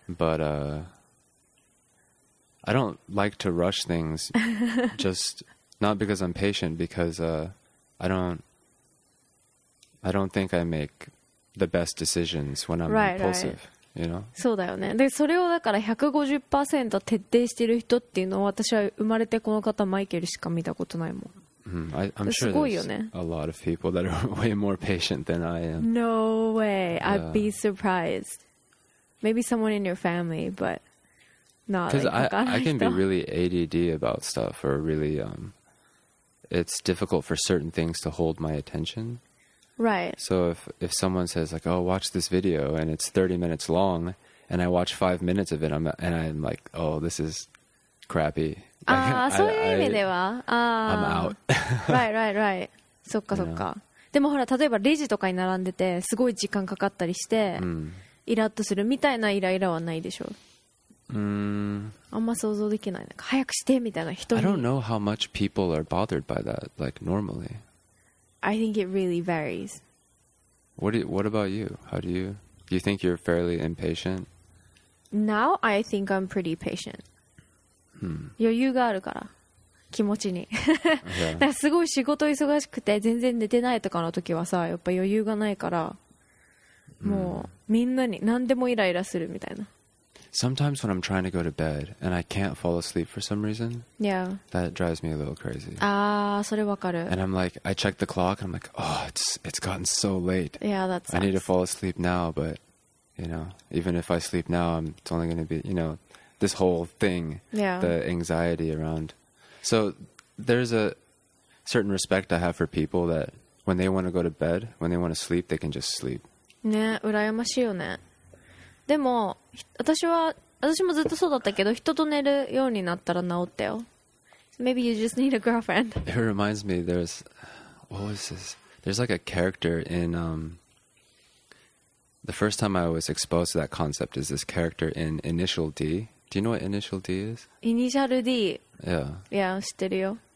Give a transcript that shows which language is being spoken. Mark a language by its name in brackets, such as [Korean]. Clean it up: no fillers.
[English] But I don't like to rush things just not because I'm patient, because I don't think I make the best decisions when I'm impulsive. You know? [Japanese] そうだよね。で、それをだから 150% 徹底してる人っていうのは、私は生まれてこの方マイケルしか見たことないもん。 [English] I'm sure there's a lot of people that are way more patient than I am. No way. Yeah. I'd be surprised. Maybe someone in your family, but not like I can be really ADD about stuff, or really, it's difficult for certain things to hold my attention. Right. So if someone says like, oh, watch this video and it's 30 minutes long and I watch 5 minutes of it, I'm like, oh, this is... crappy. [Japanese] そういう意味では [English] I'm out. [Japanese] right. そっかそっか。でもほら、例えばレジとかに並んでてすごい時間かかったりしてイラッとするみたいなイライラはないでしょ。あんま想像できない。なんか早くしてみたいな人に。 [English] I don't know how much people are bothered by that, like normally. I think it really varies. What about you? How do you think you're fairly impatient? Now I think I'm pretty patient. [Japanese] 余裕があるから気持ちに、 [English] okay. [Japanese] すごい仕事忙しくて全然寝てないとかの時はさ、やっぱ余裕がないから、mm. もうみんなに何でもイライラするみたいな。 [English] Sometimes when I'm trying to go to bed and I can't fall asleep for some reason, yeah, that drives me a little crazy. [Japanese] Ah, それわかる。 [English] And I'm like, I check the clock and I'm like, oh, it's gotten so late. Yeah, that's. I need to fall asleep now, but you know, even if I sleep now, it's only going to be, you know, this whole thing, yeah, the anxiety around. So there's a certain respect I have for people that when they want to go to bed, when they want to sleep, they can just sleep. [Japanese] ね、羨ましいよね。でも私もずっとそうだったけど、人と寝るようになったら治ったよ。 [English] Maybe you just need a girlfriend. It reminds me, there's like a character in the first time I was exposed to that concept is this character in Initial D. Do you know what Initial D is? Initial D. Yeah. [Japanese] Yeah, 知ってるよ。